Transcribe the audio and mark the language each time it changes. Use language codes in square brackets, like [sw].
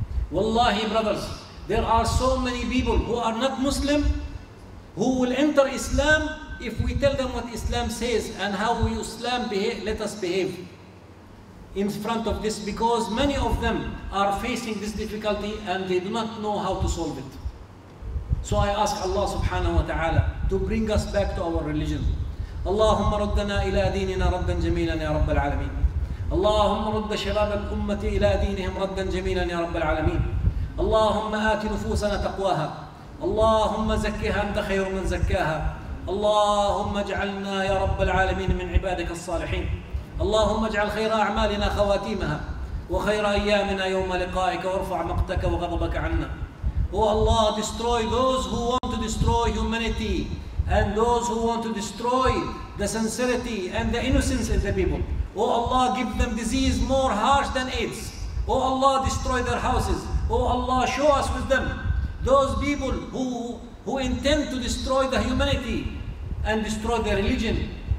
[en] Wallahi brothers, there are so many people who are not Muslim who will enter Islam if we tell them what Islam says and how we Islam behave, let us behave in front of this, because many of them are facing this difficulty and they do not know how to solve it. So I ask Allah subhanahu wa ta'ala to bring us back to our religion. [ar] اللهم ردنا إلى ديننا ردا جميلا يا رب العالمين. اللهم رد شباب الأمة إلى دينهم ردا جميلا يا رب العالمين. اللهم آت نفوسنا تقواها. اللهم زكها أنت خير من زكاها. اللهم اجعلنا يا رب العالمين من عبادك الصالحين. اللهم اجعل خير أعمالنا خواتيمها وخير أيامنا يوم لقائك وارفع مقتك وغضبك عنا. [en] Oh Allah, destroy those who want to destroy humanity and those who want to destroy the sincerity and the innocence of the people. Oh Allah, give them disease more harsh than AIDS. Oh Allah, destroy their houses. Oh Allah, show us with them. Those people who intend to destroy the humanity and destroy the religion.